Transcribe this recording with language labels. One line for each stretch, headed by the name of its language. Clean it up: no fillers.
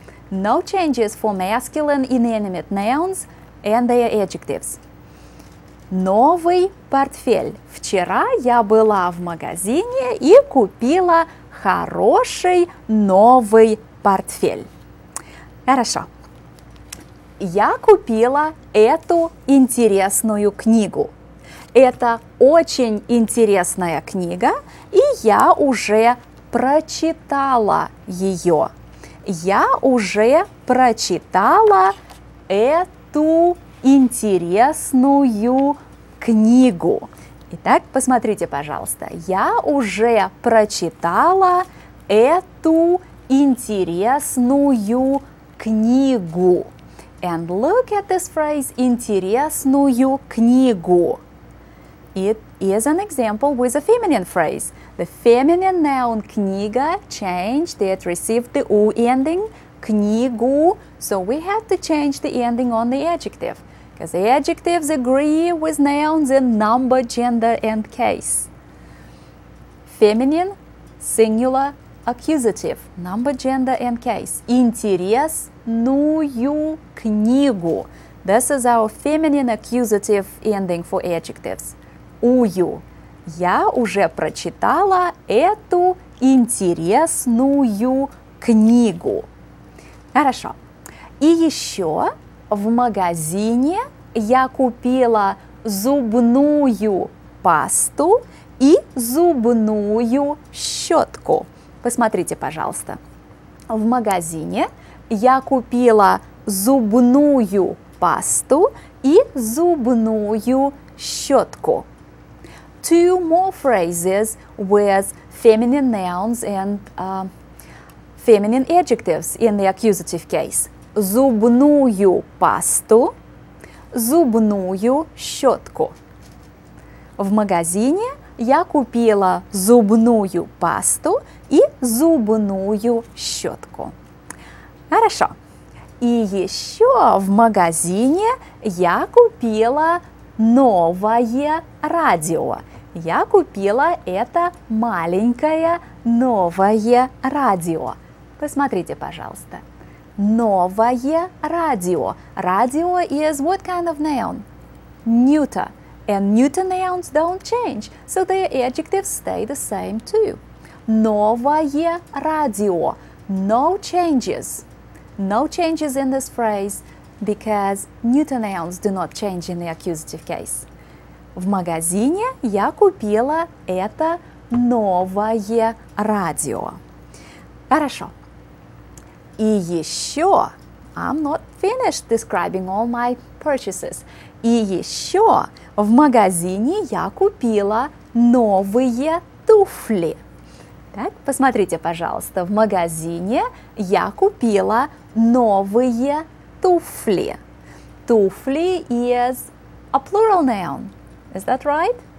English: No changes for masculine inanimate nouns and their adjectives.
Russian: Новый портфель. Вчера я была в магазине и купила хороший новый портфель. Хорошо. Я купила эту интересную книгу. Это очень интересная книга, и я уже прочитала ее. Я уже прочитала эту интересную книгу. Итак, посмотрите, пожалуйста. Я уже прочитала эту интересную книгу.
English: And look at this phrase,
Russian: интересную книгу.
English: It is an example with a feminine phrase. The feminine noun книга changed, it received the U ending, книгу. So we had to change the ending on the adjective. Because adjectives agree with nouns in number, gender, and case. Feminine, singular, accusative, number, gender, and case.
Russian: Интересную книгу.
English: This is our feminine accusative ending for adjectives.
Russian: Ую. Я уже прочитала эту интересную книгу. Хорошо. И еще в магазине я купила зубную пасту и зубную щетку. Посмотрите, пожалуйста. В магазине я купила зубную пасту и зубную щетку.
English: Two more phrases with feminine nouns and feminine adjectives in the accusative case.
Russian: Зубную пасту, зубную щетку. В магазине я купила зубную пасту и зубную щетку. Хорошо. И еще в магазине я купила новое радио. Я купила это маленькое новое радио. Посмотрите, пожалуйста. Новое радио.
English: Радио is what kind of noun? Neuter. And neuter nouns don't change, so their adjectives stay the same too.
Russian: Новое радио.
English: No changes. No changes in this phrase because neuter nouns do not change in the accusative case.
Russian: В магазине я купила это новое радио. Хорошо. И еще,
English: I'm not finished describing all my purchases.
Russian: И еще в магазине я купила новые туфли. Так, посмотрите, пожалуйста, в магазине я купила новые туфли.
English: Туфли is a plural noun. Is that right?